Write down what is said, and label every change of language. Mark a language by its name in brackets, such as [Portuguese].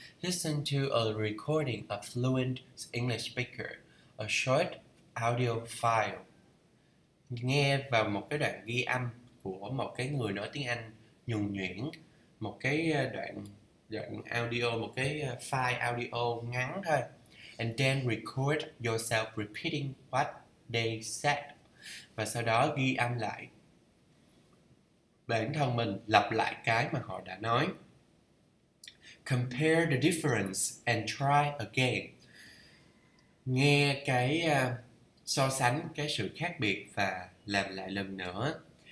[English] Listen to a recording of fluent English speaker, a short audio file. [Vietnamese] Nghe vào một cái đoạn ghi âm của một cái người nói tiếng Anh nhuần nhuyễn, một cái đoạn audio, một cái file audio ngắn thôi. [English] And then record yourself repeating what they said. [Vietnamese] Và sau đó ghi âm lại bản thân mình lặp lại cái mà họ đã nói. [English] Compare the difference and try again. [Vietnamese] Nghe cái so sánh cái sự khác biệt và làm lại lần nữa.